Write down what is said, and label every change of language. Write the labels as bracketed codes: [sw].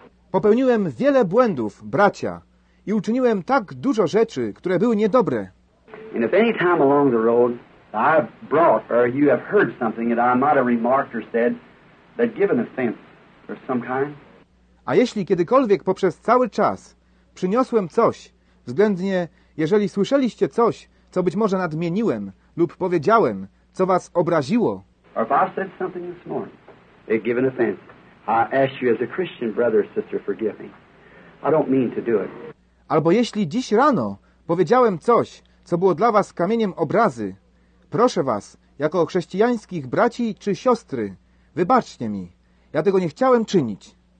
[pl] Popełniłem wiele błędów, bracia, i uczyniłem tak dużo rzeczy, które były niedobre. [en] And if any time along the road I brought or you have heard something that I might have remarked or said that given offense or some kind. [pl] A jeśli kiedykolwiek poprzez cały czas przyniosłem coś, względnie jeżeli słyszeliście coś, co być może nadmieniłem lub powiedziałem, co was obraziło. [en] Or if I said something this morning that given offense, I ask you as a Christian brother or sister forgive me. I don't mean to do it. [pl] Albo jeśli dziś rano powiedziałem coś, co było dla was kamieniem obrazy, proszę was, jako chrześcijańskich braci czy siostry, wybaczcie mi, ja tego nie chciałem czynić.